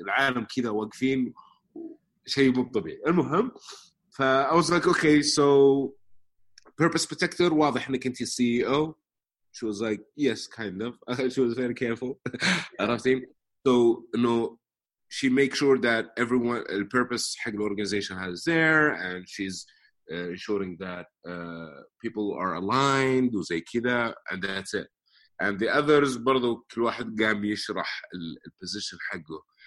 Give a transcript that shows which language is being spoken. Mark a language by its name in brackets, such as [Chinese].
[Arabic] العالم كذا واقفين, شيء مو طبيعي. المهم, ف [English] I was like, okay, so purpose protector, [Arabic] واضح انك انت [English] CEO. She was like, yes, kind of. She was very careful. [Arabic] عرفتي؟ [English] So, no, she makes sure that everyone, the purpose [Arabic] حق ال [English] organization has there, and she's ensuring that people are aligned, [Arabic] وزي كذا, [English] and that's it. And the others, [Arabic] برضو كل واحد قام يشرح ال position حقه.